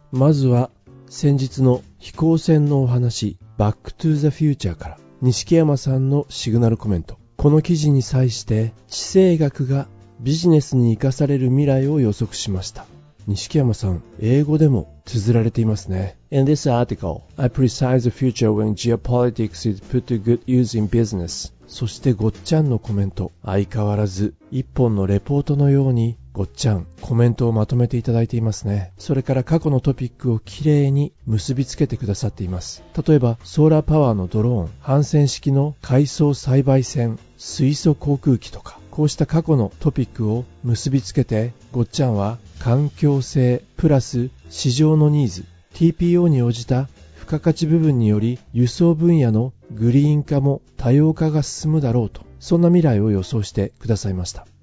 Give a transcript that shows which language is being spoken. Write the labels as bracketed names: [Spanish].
[Japanese] まずは、先日の飛行船のお話、Back to the Future から、錦山さんのシグナルコメント。この記事に際して、地政学がビジネスに生かされる未来を予測しました。錦山さん、英語でも綴られていますね。 [English] In this article, I predict the future when geopolitics is put to good use in business. [Japanese] そしてごっちゃんのコメント、相変わらず一本のレポートのようにごっちゃんコメントをまとめていただいていますね。それから過去のトピックをきれいに結びつけてくださっています。例えばソーラーパワーのドローン、帆船式の海藻栽培船、水素航空機とか、こうした過去のトピックを結びつけて、ごっちゃんは環境性プラス市場のニーズ、TPO に応じた付加価値部分により輸送分野のグリーン化も多様化が進むだろうと、そんな未来を予想してくださいました。